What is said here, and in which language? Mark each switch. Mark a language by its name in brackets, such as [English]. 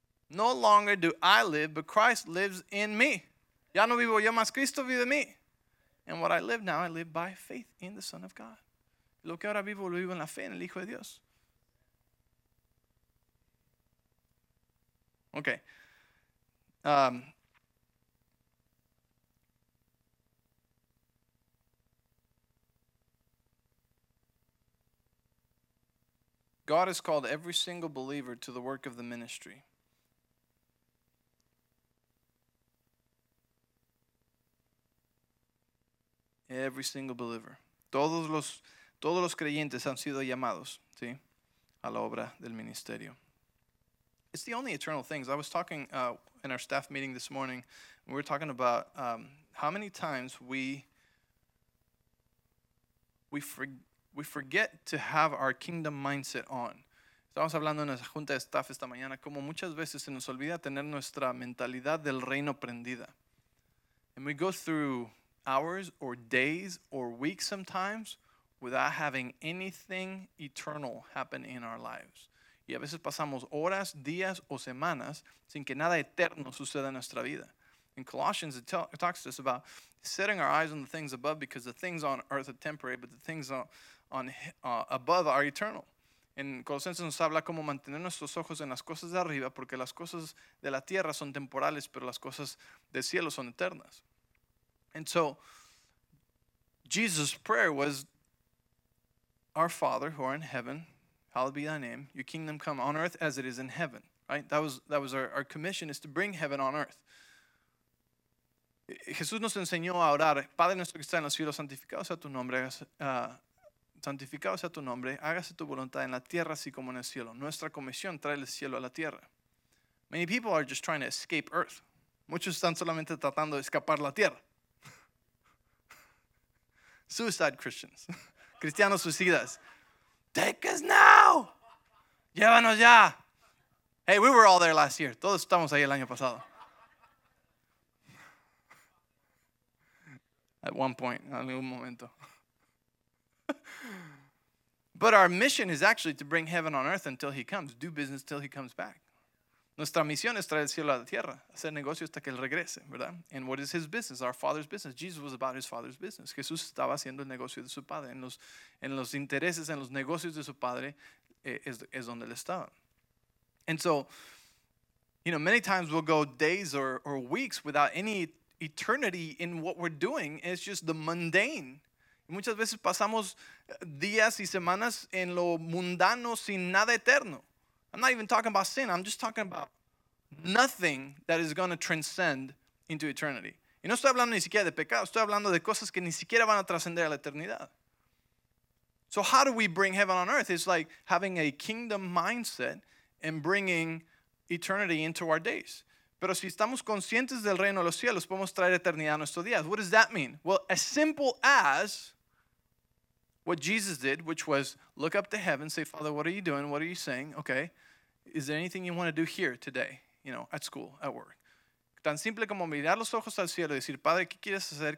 [English] No longer do I live, but Christ lives in me. [Spanish] Ya no vivo yo, más Cristo vive en mí. [English] And what I live now, I live by faith in the Son of God. [Spanish] Lo que ahora vivo, lo vivo en la fe en el Hijo de Dios. [English] Okay. God has called every single believer to the work of the ministry. Every single believer. [Spanish] Todos los creyentes han sido llamados, ¿sí? A la obra del ministerio. [English] It's the only eternal things. I was talking in our staff meeting this morning. We were talking about how many times we forget to have our kingdom mindset on. [Spanish] Estamos hablando en la junta de staff esta mañana como muchas veces se nos olvida tener nuestra mentalidad del reino prendida. [English] And we go through hours or days or weeks sometimes without having anything eternal happen in our lives. [Spanish] Y a veces pasamos horas, días o semanas sin que nada eterno suceda en nuestra vida. [English] In Colossians, it talks to us about setting our eyes on the things above because the things on earth are temporary, but the things above are eternal. [Spanish] En Colosenses nos habla cómo mantener nuestros ojos en las cosas de arriba porque las cosas de la tierra son temporales, pero las cosas del cielo son eternas. [English] And so, Jesus' prayer was, our Father who are in heaven, hallowed be thy name, your kingdom come on earth as it is in heaven. Right? That was our commission, is to bring heaven on earth. [Spanish] Jesús nos enseñó a orar, Padre nuestro que está en los cielos, santificado sea tu nombre, hágase tu voluntad en la tierra así como en el cielo. Nuestra comisión trae el cielo a la tierra. [English] Many people are just trying to escape earth. [Spanish] Muchos están solamente tratando de escapar la tierra. [English] Suicide Christians. [Spanish] Cristianos suicidas. [English] Take us now! [Spanish] Llévanos ya! [English] Hey, we were all there last year. [Spanish] Todos estamos ahí el año pasado. [English] At one point, [Spanish] en algún momento. [English] But our mission is actually to bring heaven on earth until he comes. Do business till he comes back. [Spanish] Nuestra misión es traer el cielo a la tierra. Hacer negocio hasta que él regrese, ¿verdad? [English] And what is his business? Our Father's business. Jesus was about his Father's business. [Spanish] Jesús estaba haciendo el negocio de su Padre. En los intereses, en los negocios de su Padre, es donde él estaba. [English] And so, you know, many times we'll go days or weeks without any eternity in what we're doing. It's just the mundane. [Spanish] Muchas veces pasamos días y semanas en lo mundano sin nada eterno. [English] I'm not even talking about sin. I'm just talking about nothing that is going to transcend into eternity. [Spanish] Y no estoy hablando ni siquiera de pecado. Estoy hablando de cosas que ni siquiera van a trascender a la eternidad. [English] So how do we bring heaven on earth? It's like having a kingdom mindset and bringing eternity into our days. [Spanish] Pero si estamos conscientes del reino de los cielos, podemos traer eternidad a nuestros días. [English] What does that mean? Well, as simple as what Jesus did, which was look up to heaven, say, Father, what are you doing? What are you saying? Okay, is there anything you want to do here today, you know, at school, at work? [Spanish] Tan simple como mirar los ojos al cielo y decir, Padre, ¿qué quieres hacer?